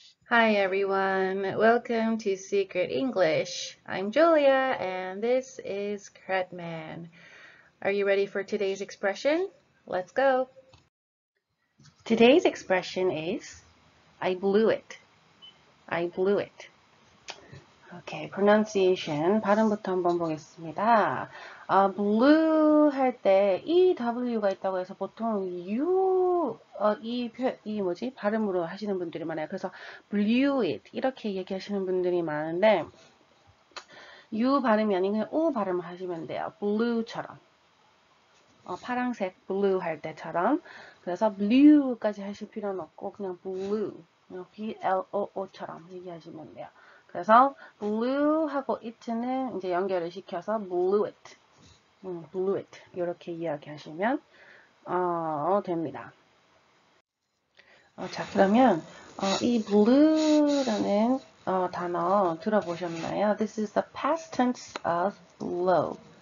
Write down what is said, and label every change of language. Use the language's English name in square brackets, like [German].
[English] Hi everyone, welcome to Secret English. I'm Julia and this is Cretman. Are you ready for today's expression? Let's go! Today's expression is I blew it. I blew it. Okay, pronunciation, [Korean] 발음부터 한번 보겠습니다. Blue 할 때, EW가 있다고 해서 보통 U, 이 뭐지? 발음으로 하시는 분들이 많아요. 그래서 blew it, 이렇게 얘기하시는 분들이 많은데, U 발음이 아닌 그냥 U 발음을 하시면 돼요. Blue처럼. 파란색 blue 할 때처럼. 그래서 blue까지 하실 필요는 없고, 그냥 blue, B-L-O-O처럼 얘기하시면 돼요. 그래서 blue하고 it는 이제 연결을 시켜서 [English] blew it, blew it [Korean] 이렇게 이야기하시면 됩니다. 자 그러면 이 blew라는 단어 들어보셨나요? [English] This is the past tense of blow.